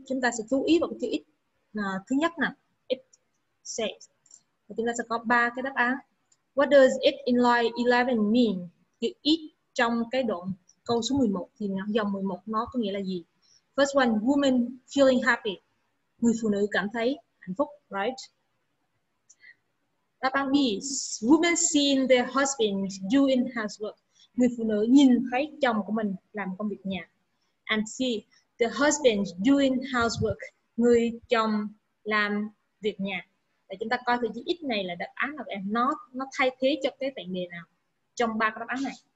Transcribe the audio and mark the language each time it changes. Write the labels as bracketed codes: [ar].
[vi] Chúng ta sẽ chú ý vào cái chữ is thứ nhất nè. [en] It says. [vi] Và chúng ta sẽ có ba cái đáp án. [en] What does it in line 11 mean? [vi] Chữ is trong cái đoạn câu số 11 thì dòng 11 nó có nghĩa là gì? [en] First one, woman feeling happy. [vi] Người phụ nữ cảm thấy hạnh phúc, right? Đáp án B, [en] woman seeing their husband doing housework. [vi] Người phụ nữ nhìn thấy chồng của mình làm công việc nhà. [en] And C, the husband doing housework. [vi] Người chồng làm việc nhà. Để chúng ta coi thử chữ is này là đáp án nào em, nó thay thế cho cái tạng đề nào trong ba cái đáp án này.